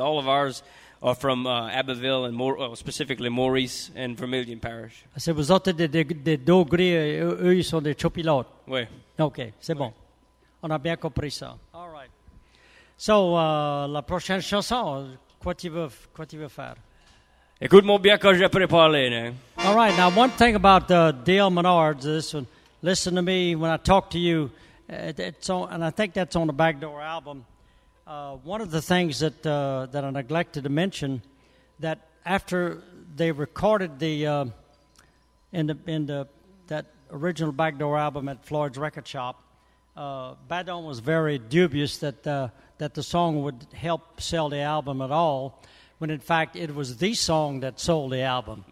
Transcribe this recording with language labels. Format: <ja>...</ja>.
<en>All of ours are from Abbeville and specifically Maurice and Vermilion Parish. I said,</en> <fr>vous autres de Dogri, eux ils sont des Chopilotes. Oui. Okay, c'est bon. On a bien compris ça.</fr> <en>All right.</en> <fr>So, la prochaine chanson, quoi tu veux faire? Écoute-moi bien quand j'ai préparé.</fr> <en>All right, now one thing about Dale Menards, this one, listen to me when I talk to you. I think that's on the Backdoor album. One of the things that I neglected to mention, that after they recorded that original Backdoor album at Floyd's Record Shop, Badon was very dubious that the song would help sell the album at all, when in fact it was the song that sold the album.</en>